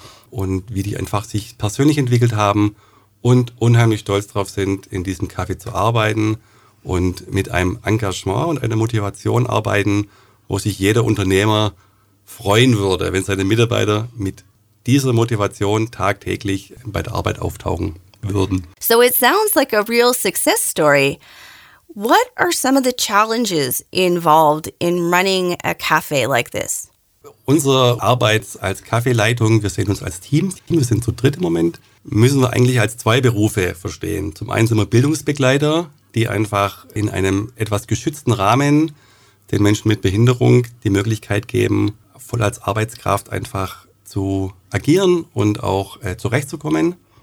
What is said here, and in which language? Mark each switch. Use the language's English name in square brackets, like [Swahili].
[German] Und wie die einfach sich persönlich entwickelt haben und unheimlich stolz darauf sind, in diesem Café zu arbeiten und mit einem Engagement und einer Motivation arbeiten, wo sich jeder Unternehmer freuen würde, wenn seine Mitarbeiter mit dieser Motivation tagtäglich bei der Arbeit auftauchen würden. [English] So it sounds like a real success story. What are some of the challenges involved in running a cafe like this? [German] Unsere Arbeit als Kaffeeleitung, wir sehen uns als Team, wir sind zu dritt im Moment, müssen wir eigentlich als zwei Berufe verstehen. Zum einen sind wir Bildungsbegleiter, die einfach in einem etwas geschützten Rahmen den Menschen mit Behinderung die Möglichkeit geben, voll als Arbeitskraft einfach zu agieren und auch zurechtzukommen.